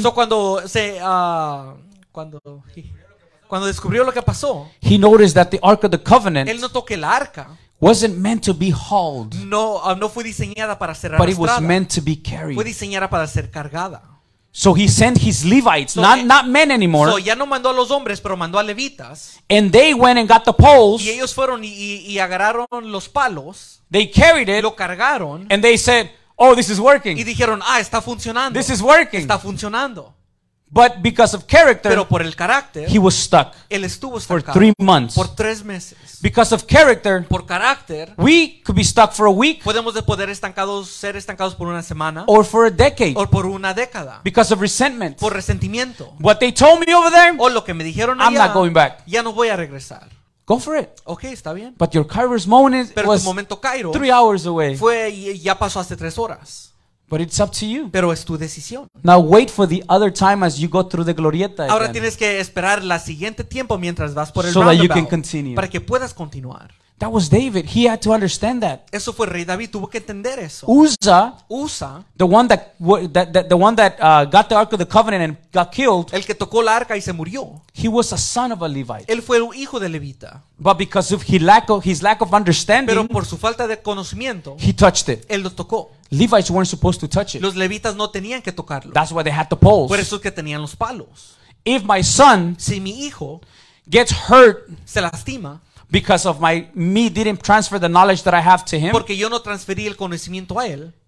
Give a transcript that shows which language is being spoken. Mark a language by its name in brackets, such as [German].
[Spanish] So cuando se, cuando cuando descubrió lo que pasó, [English] he noticed that the Ark of the Covenant, [Spanish] él notó que el arca, [English] wasn't meant to be hauled, [Spanish] no fue diseñada para ser arrastrada, [English] but it was meant to be carried, [Spanish] fue diseñada para ser cargada. [English] So he sent his Levites, not men anymore. [Spanish] So ya no mandó a los hombres, pero mandó a levitas. [English] And they went and got the poles. [Spanish] Y ellos fueron y agarraron los palos. [English] They carried it. [Spanish] Lo cargaron. [English] And they said, "Oh, this is working." [Spanish] Y dijeron, "Ah, está funcionando." [English] This is working. [Spanish] Está funcionando. [English] But because of character, [Spanish] pero por el carácter, [English] he was stuck. [Spanish] Él estuvo [English] estancado for 3 months. [Spanish] Por 3 meses. [English] Because of character, [Spanish] por carácter, [English] we could be stuck for a week. [Spanish] Podemos de poder ser estancados por una semana. [English] Or for a decade. [Spanish] O por una década. [English] Because of resentment. [Spanish] Por resentimiento. [English] What they told me over there. [Spanish] O lo que me dijeron [English] allá. I'm not going back. [Spanish] Ya no voy a regresar. [English] Go for it. [Spanish] Okay, está bien. [English] But your Kairos moment [Spanish] pero [English] was [Spanish] tu momento Kairos [English] 3 hours away. [Spanish] Fue ya pasó hace 3 horas. [English] But it's up to you. [Spanish] Pero es tu decisión. [English] Now wait for the other time as you go through the glorieta. [Spanish] Ahora [English] again. [Spanish] Tienes que esperar la siguiente tiempo mientras vas por el [English] so So that you can continue. [Spanish] Para que puedas continuar. [English] That was David. He had to understand that. [Spanish] Eso fue Rey David. Tuvo que entender eso. [English] Uzzah, the one that got the Ark of the Covenant and got killed. [Spanish] El que tocó la arca y se murió. [English] He was a son of a Levite. [Spanish] Él fue un hijo de levita. [English] But because of his lack of understanding, [Spanish] pero por su falta de conocimiento, [English] he touched it. [Spanish] Él lo tocó. [English] Levites weren't supposed to touch it. [Spanish] Los levitas no tenían que tocarlo. [English] That's why they had the poles. [Spanish] Por eso es que tenían los palos. [English] If my son, [Spanish] si mi hijo, [English] gets hurt, [Spanish] se lastima. [English] Because of me didn't transfer the knowledge that I have to him. [Spanish] Porque yo no transferí el conocimiento a él.